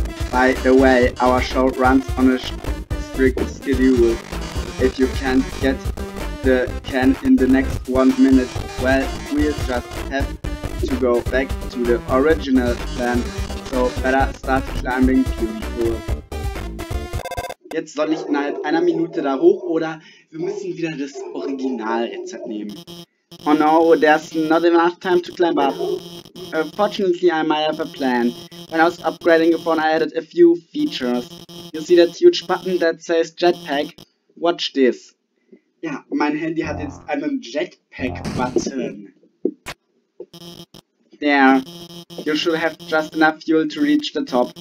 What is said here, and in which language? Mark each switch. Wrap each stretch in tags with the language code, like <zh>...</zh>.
<en>By the way, our show runs on a strict schedule. If you can't get the can in the next 1 minute, well, we'll just have to go back to the original plan. So better start climbing people.</en> <de>Jetzt soll ich innerhalb einer Minute da hoch, oder wir müssen wieder das Originalrezept nehmen.</de> <en>Oh no, there's not enough time to climb up. Fortunately, I might have a plan. When I was upgrading the phone, I added a few features. You see that huge button that says Jetpack? Watch this.</en> <de>Ja, mein Handy hat jetzt einen Jetpack-Button.</de> <en>There. You should have just enough fuel to reach the top.</en>